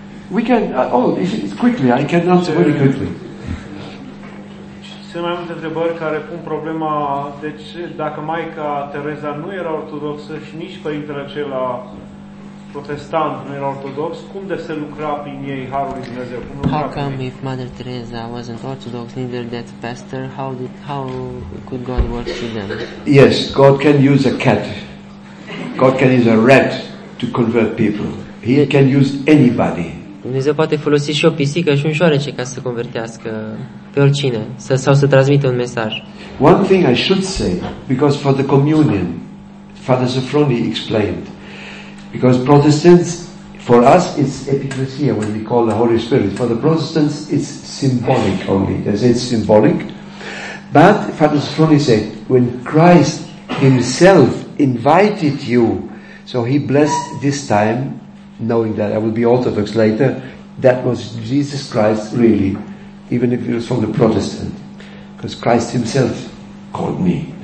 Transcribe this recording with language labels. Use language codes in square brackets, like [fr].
[en] We can, it's quickly, I can answer very quickly. [ro] Sunt mai multe întrebări care pun problema, deci dacă Maica Tereza nu era ortodoxă și nici părintele acela protestant, nu era ortodox, cum de se lucra prin ei harul lui Dumnezeu? Cum lucra? [en] How come if Mother Teresa wasn't orthodox, neither that pastor, how could God work through them? Yes, God can use a cat. God can use a rat to convert people. He can use anybody. [ro] Dumnezeu poate folosi și o pisică și un șoarece ca să convertească pe oricine, sau să transmită un mesaj. [en] One thing I should say, because for the communion, Father Sofroni explained, because Protestants, for us it's epiclesia when we call the Holy Spirit. For the Protestants it's symbolic only. They say it's symbolic. But Father Sofroni said, when Christ himself invited you, so he blessed this time, knowing that I will be Orthodox later, that was Jesus Christ really, even if it was from the Protestant, because Christ himself called me.